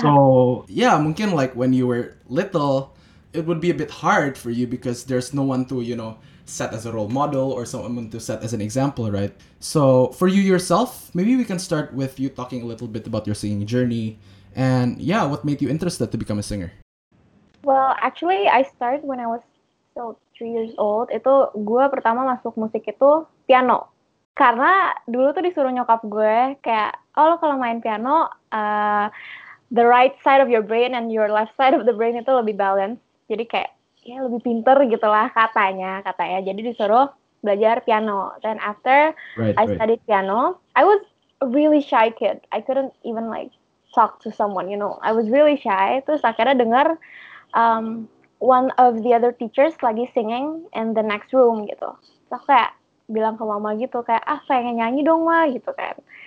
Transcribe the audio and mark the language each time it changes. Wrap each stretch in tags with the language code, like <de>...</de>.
<en>So, yeah, mungkin like when you were little, it would be a bit hard for you because there's no one to, you know, set as a role model or someone to set as an example, right? So for you yourself, maybe we can start with you talking a little bit about your singing journey and, yeah, what made you interested to become a singer? Well, actually, I started when I was still 3 years old.</en> <id>Itu gue pertama masuk musik itu piano. Karena dulu tuh disuruh nyokap gue kayak, oh, lo kalau main piano,</id> <en>the right side of your brain and your left side of the brain</en> <id>itu lebih balance. Jadi kayak, ya lebih pinter gitu lah katanya. Jadi disuruh belajar piano.</id> <en>Then after studied piano, I was a really shy kid. I couldn't even like talk to someone, you know. I was really shy.</en> <id>Terus akhirnya denger</id> <en>one of the other teachers lagi singing in the next room gitu.</en> <id>Terus aku kayak bilang ke mama gitu, kayak, ah pengen nyanyi dong mah gitu kan.</id>